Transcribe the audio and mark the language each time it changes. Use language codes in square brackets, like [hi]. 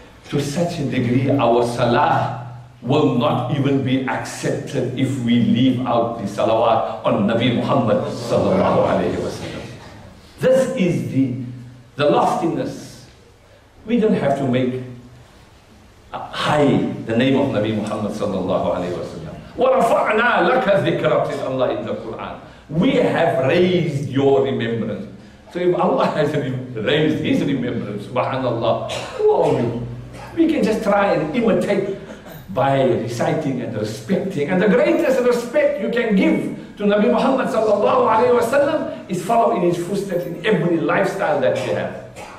[en] To such a degree, our salah will not even be accepted if we leave out the salawat on Nabi Muhammad sallallahu alayhi wa sallam. This is the loftiness. We don't have to make high the name of Nabi Muhammad sallallahu alayhi wa sallam. [ar] وَرَفَعْنَا لَكَ ذِكْرَةِ اللَّهِ [en] in the Quran. We have raised your remembrance. So if Allah has raised his remembrance, subhanallah, who are you? We can just try and imitate by reciting and respecting. And the greatest respect you can give to Nabi Muhammad sallallahu alayhi wa sallam is following his footsteps in every lifestyle that we have.